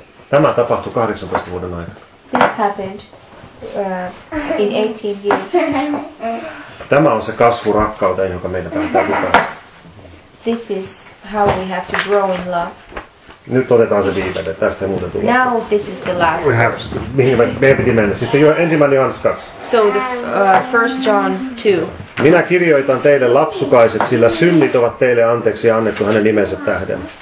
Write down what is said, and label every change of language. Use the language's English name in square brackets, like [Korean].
[Finnish] Tämä tapahtui 18 vuoden aikana. [English] This happened in 18 years. [Finnish] Tämä on se kasvu rakkauteen, joka meidän täytyy päästä. [English] This is how we have to grow in love. [Finnish] Nyt otetaan se viimeinen, että tästä ei muuten tule. [English] Now this is the last. We have, [Finnish] mihin meidän piti mennä? Siis se jo ensimmäinen Johannes 2. [English] So the first John 2. [Finnish] Minä kirjoitan teille lapsukaiset, sillä synnit ovat teille anteeksi annettu hänen nimensä tähden.